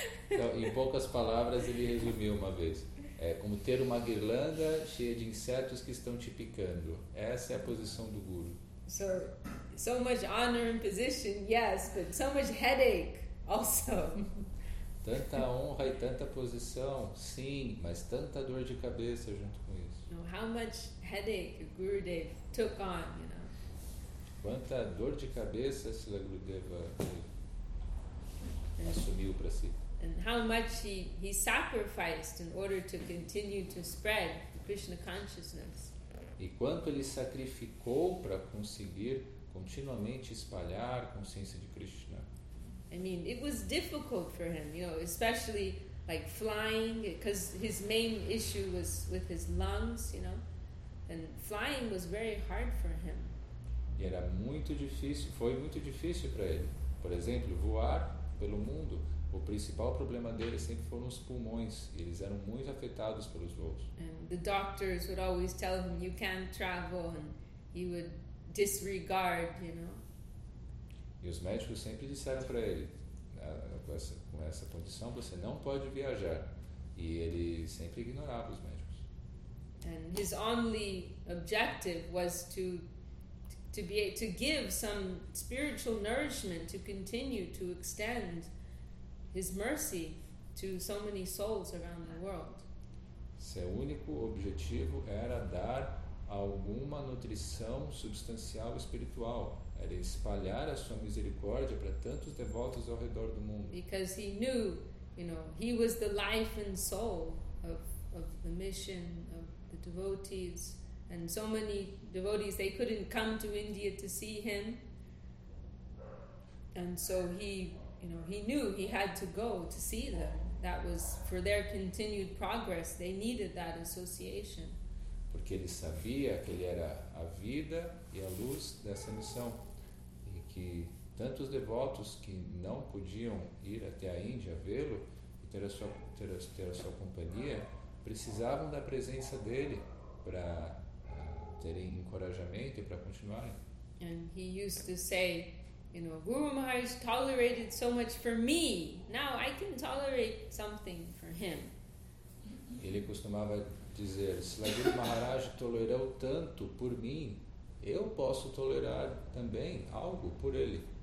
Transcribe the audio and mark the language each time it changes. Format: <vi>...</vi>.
<pt>Então, em poucas palavras, ele resumiu uma vez. É como ter uma guirlanda cheia de insetos que estão te picando. Essa é a posição do Guru.</pt> <en>So, so much honor and position, yes, but so much headache also.</en> <pt>Tanta honra e tanta posição, sim, mas tanta dor de cabeça junto com isso.</pt> <en>You know, how much headache Gurudev took on, you know?</en> <pt>Quanta dor de cabeça Srila Gurudev assumiu para si.</pt> <en>And how much he sacrificed in order to continue to spread the Krishna consciousness.</en> <pt>E quanto ele sacrificou para conseguir continuamente espalhar a consciência de Krishna.</pt> <en>I mean, it was difficult for him, you know, especially like flying, because his main issue was with his lungs, you know, and flying was very hard for him.</en> <pt>E era muito difícil, foi muito difícil para ele. Por exemplo, voar pelo mundo, o principal problema dele sempre foram os pulmões, e eles eram muito afetados pelos voos.</pt> <en>And the doctors would always tell him, you can't travel, and he would disregard, you know.</en> <pt>E os médicos sempre disseram para ele, com essa condição você não pode viajar. E ele sempre ignorava os médicos.</pt> <en>And his only objective was to give some spiritual nourishment to continue to extend his mercy to so many souls around the world.</en> <pt>Seu único objetivo era dar alguma nutrição substancial espiritual. Era espalhar a sua misericórdia para tantos devotos ao redor do mundo.</pt> <en>Because he knew, you know, he was the life and soul of the mission of the devotees, and so many devotees, they couldn't come to India to see him, and so he, you know, he knew he had to go to see them. That was for their continued progress. They needed that association.</en> <pt>Porque ele sabia que ele era a vida e a luz dessa missão. E tantos devotos que não podiam ir até a Índia vê-lo e ter a sua companhia precisavam da presença dele para terem encorajamento e para continuarem.</pt> <en>And he used to say, you know, Guru Maharaj tolerated so much for me. Now I can tolerate something for him.</en> <pt>Ele costumava dizer, Srila Guru Maharaj tolerou tanto por mim. Eu posso tolerar também algo por ele.</pt>